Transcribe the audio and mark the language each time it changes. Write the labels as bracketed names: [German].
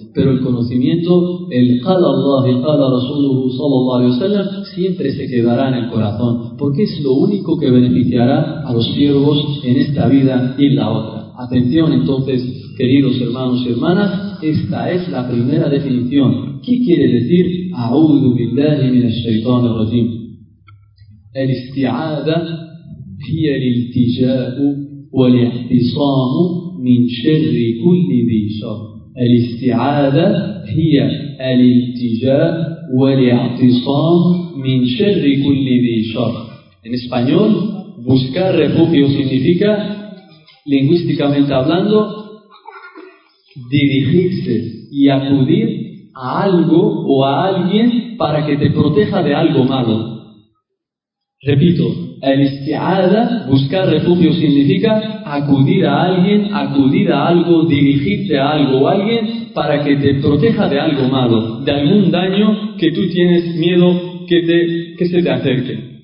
[Spanish] Pero el conocimiento, el qala Allah y qala Rasuluhu sallallahu alayhi wa sallam, siempre se quedará en el corazón, porque es lo único que beneficiará a los siervos en esta vida y en la otra. Atención entonces, queridos hermanos y hermanas, esta es la primera definición. ¿Qué quiere decir [Arabic] A'udhu billahi minash shaitanir rajim? [Spanish] El isti'adha [Arabic] هي الالتجاء والاحتصام من شر كل ذي شر. الاستعاذة هي الالتجاء والاحتصام من شر كل ذي شر. [Spanish] En español, buscar refugio significa, lingüísticamente hablando, dirigirse y acudir a algo o a alguien para que te proteja de algo malo. Repito, al-isti'adha, buscar refugio, significa acudir a alguien, acudir a algo, dirigirte a algo o a alguien para que te proteja de algo malo, de algún daño que tú tienes miedo que se te acerque.